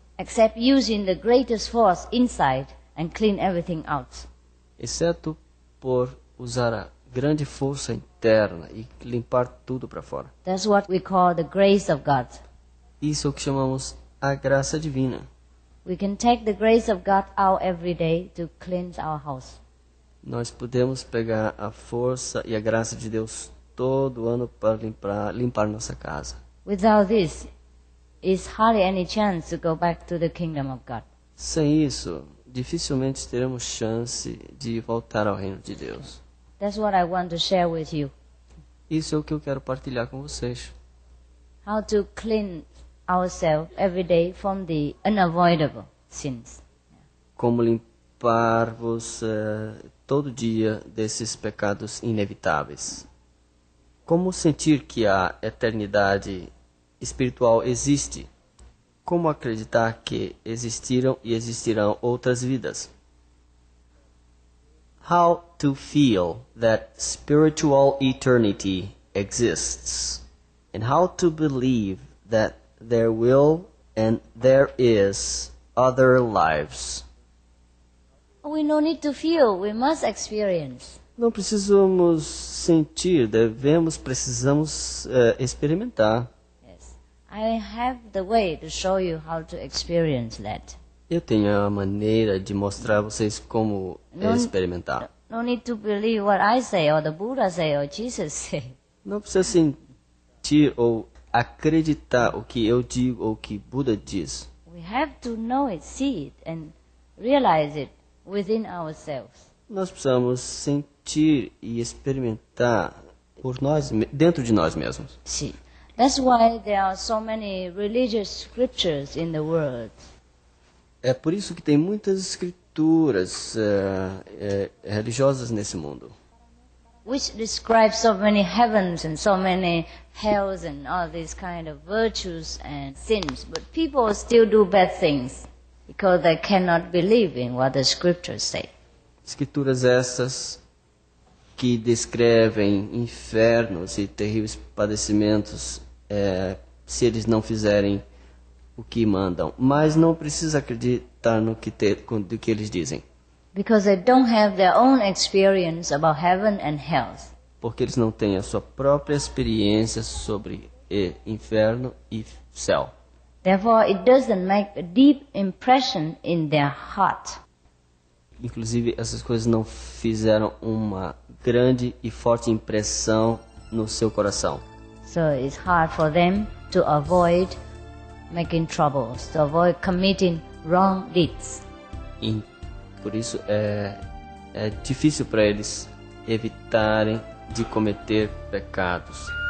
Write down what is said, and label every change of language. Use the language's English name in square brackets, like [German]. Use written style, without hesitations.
[English] Except using the greatest force inside and clean everything out. [Portuguese] Exceto por usar a grande força interna e limpar tudo para fora. [English] That's what we call the grace of God. [Portuguese] Isso é o que chamamos a graça divina. [English] We can take the grace of God out every day to cleanse our house. [Portuguese] Nós podemos pegar a força e a graça de Deus todo ano para limpar nossa casa. [English] Without this, is hardly any chance to go back to the kingdom of God. [Portuguese] Sem isso, dificilmente teremos chance de voltar ao reino de Deus. [English] That's what I want to share with you. [Portuguese] Isso é o que eu quero partilhar com vocês. [English] How to clean ourselves every day from the unavoidable sins. [Portuguese] Como limpar-vos todo dia desses pecados inevitáveis. Como sentir que a eternidade espiritual existe? Como acreditar que existiram e existirão outras vidas? [English] How to feel that spiritual eternity exists? And how to believe that there will and there is other lives? We no need to feel, we must experience. [Portuguese] Não precisamos sentir, devemos, precisamos experimentar. [English] Yes. I have the way to show you how to experience that. [Portuguese] Eu tenho a maneira de mostrar a vocês como experimentar. [English] No need to believe what I say, or the Buddha say, or Jesus say. [Portuguese] Não precisa sentir ou acreditar o que eu digo ou o que Buda diz. [English] We have to know it, see it, and realize it within ourselves. [Portuguese] Nós precisamos sentir e experimentar por nós, dentro de nós mesmos. Sim. [English] That's why there are so many religious scriptures in the world. [Portuguese] É por isso que tem muitas escrituras religiosas nesse mundo. [English] Which describes so many heavens and so many hells and all these kind of virtues and sins. But people still do bad things because they cannot believe in what the scriptures say. [Portuguese] Escrituras essas que descrevem infernos e terríveis padecimentos se eles não fizerem o que mandam. Mas não precisa acreditar no que, do que eles dizem. [English] Because they don't have their own experience about heaven and hell. [Portuguese] Porque eles não têm a sua própria experiência sobre inferno e céu. [English] Therefore, it doesn't make a deep impression in their heart. [Portuguese] Inclusive, essas coisas não fizeram uma grande e forte impressão no seu coração. [English] So it's hard for them to avoid making troubles, to avoid committing wrong deeds. [Portuguese] Por isso é difícil para eles evitarem de cometer pecados.